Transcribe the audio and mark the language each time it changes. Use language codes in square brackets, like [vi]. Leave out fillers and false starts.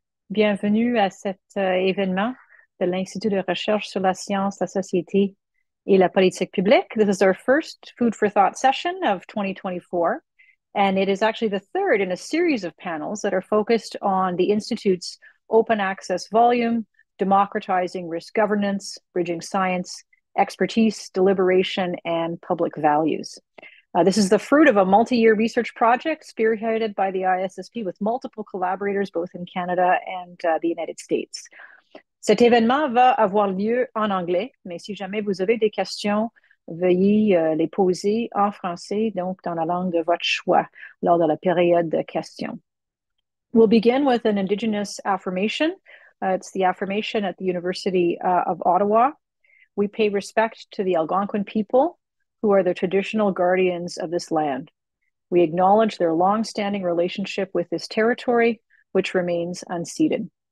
[fr] Bienvenue à cet événement de l'Institut de recherche sur la science, la société et la politique publique. [en] This is our first Food for Thought session of 2024, and it is actually the third in a series of panels that are focused on the Institute's open access volume, democratizing risk governance, bridging science, expertise, deliberation, and public values. This is the fruit of a multi-year research project spearheaded by the ISSP with multiple collaborators both in Canada and the United States. [fr] Cet événement va avoir lieu en anglais, mais si jamais vous avez des questions, veuillez les poser en français, donc dans la langue de votre choix, lors de la période de questions. [en] We'll begin with an Indigenous affirmation. It's the affirmation at the University of Ottawa. We pay respect to the Algonquin people, who are the traditional guardians of this land. We acknowledge their long-standing relationship with this territory, which remains unceded.